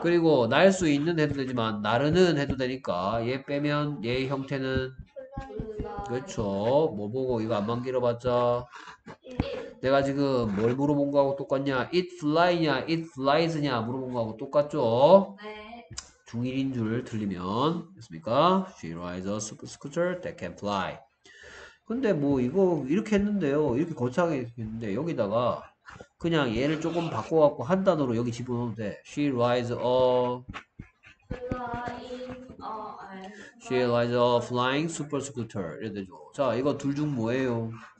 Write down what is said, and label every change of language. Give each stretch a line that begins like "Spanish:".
Korean: 그리고 날수 있는 해도 되지만 나르는 해도 되니까 얘 빼면 얘 형태는 그렇죠. 뭐 보고 이거 안만 길어봤자 내가 지금 뭘 물어본 거하고 똑같냐?
English: It fly
Korean: 냐?
English: It flies
Korean: 냐? 물어본 거하고 똑같죠. 중1인 줄 들리면 됐습니까?
English: She rides a super scooter that can fly.
Korean: 근데 뭐 이거 이렇게 했는데요. 이렇게 거창하게 했는데 여기다가 그냥 얘를 조금 바꿔갖고 한 단어로 여기 집어넣으면 돼.
English: She rides a Flying, She rides a flying super scooter.
Korean: 이래 되죠. 자, 이거 둘중 뭐예요?